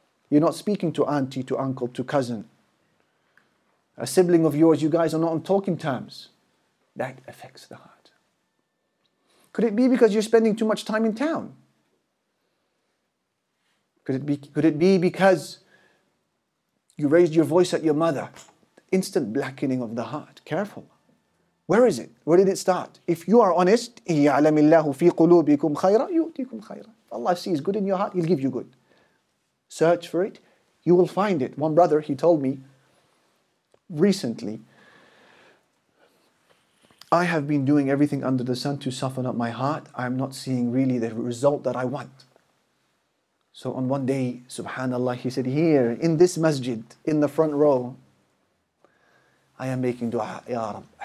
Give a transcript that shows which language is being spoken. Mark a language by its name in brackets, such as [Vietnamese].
[English] You're not speaking to auntie, to uncle, to cousin. A sibling of yours, you guys are not on talking terms. That affects the heart. Could it be because you're spending too much time in town? Could it be because you raised your voice at your mother? Instant blackening of the heart. Careful. Where is it? Where did it start? If you are honest, [Arabic] يَعْلَمِ اللَّهُ فِي قُلُوبِكُمْ خَيْرًا يُؤْتِيكُمْ خَيْرًا. [English] Allah sees good in your heart, He'll give you good. Search for it, you will find it. One brother, he told me recently, I have been doing everything under the sun to soften up my heart. I'm not seeing really the result that I want. So on one day, subhanAllah, he said, here in this masjid, in the front row, I am making dua, Ya Rab.